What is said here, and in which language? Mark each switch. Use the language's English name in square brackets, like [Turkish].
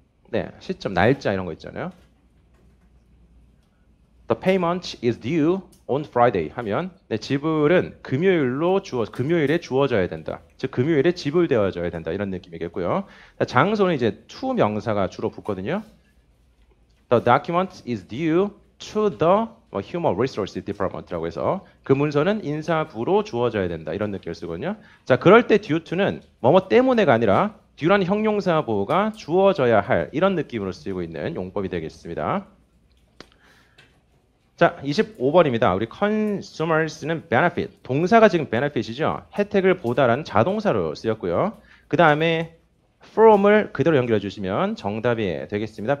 [Korean] 네, 시점, 날짜 이런 거 있잖아요. [English] The payment is due on Friday [Korean] 하면 네, 지불은 금요일에 주어져야 된다. 즉, 금요일에 지불되어져야 된다. 이런 느낌이겠고요. 장소는 이제 to 명사가 주로 붙거든요. [English] The document is due to the Human Resources Department라고 [Korean] 해서 그 문서는 인사부로 주어져야 된다. 이런 느낌을 쓰거든요. 자, 그럴 때 due to는 뭐뭐 때문에가 아니라 due라는 형용사 보호가 주어져야 할 이런 느낌으로 쓰이고 있는 용법이 되겠습니다. 자, 25번입니다. 우리 consumers는 benefit. 동사가 지금 benefit이죠? 혜택을 보다라는 자동사로 쓰였고요. 그 다음에 from을 그대로 연결해 주시면 정답이 되겠습니다.